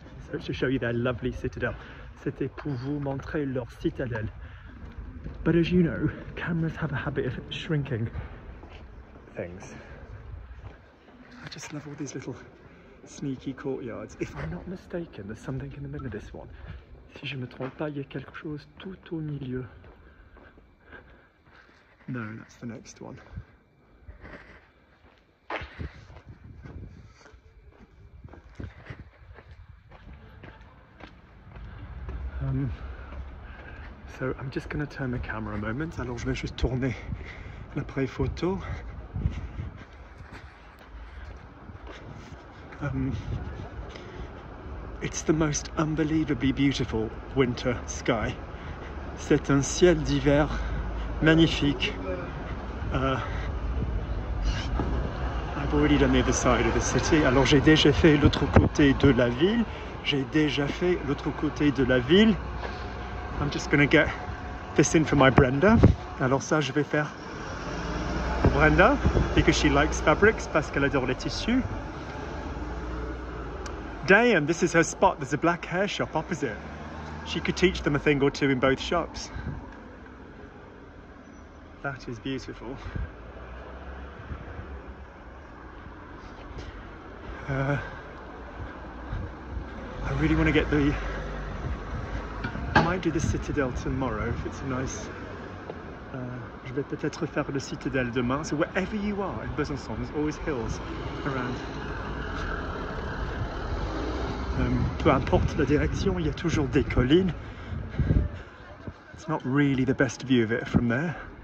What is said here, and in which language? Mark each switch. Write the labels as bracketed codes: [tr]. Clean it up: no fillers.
[en] So to show you their lovely citadel. [fr] C'était pour vous montrer leur citadelle. [en] But as you know, cameras have a habit of shrinking things. I just love all these little sneaky courtyards. If I'm not mistaken, there's something in the middle of this one. [fr] Si je ne me trompe pas, il y a quelque chose tout au milieu. [en] No, that's the next one. So I'm just going to turn the camera a moment. [fr] Alors je vais juste tourner l'appareil photo. [en] It's the most unbelievably beautiful winter sky. [fr] C'est un ciel d'hiver magnifique. [en] I've already done the other side of the city. [fr] Alors j'ai déjà fait l'autre côté de la ville. [en] I'm just going to get this in for my Brenda. [fr] Alors ça je vais faire pour Brenda, [en] because she likes fabrics, [fr] parce qu'elle adore les tissus. [en] Damn, this is her spot. There's a black hair shop opposite. She could teach them a thing or two in both shops. That is beautiful. I really want to get the... I might do the citadel tomorrow if it's a nice... [fr] Je vais peut-être faire le citadel demain. [en] So wherever you are in Besançon, there's always hills around. [fr] Peu importe la direction, il y a toujours des collines. [en] It's not really the best view of it from there.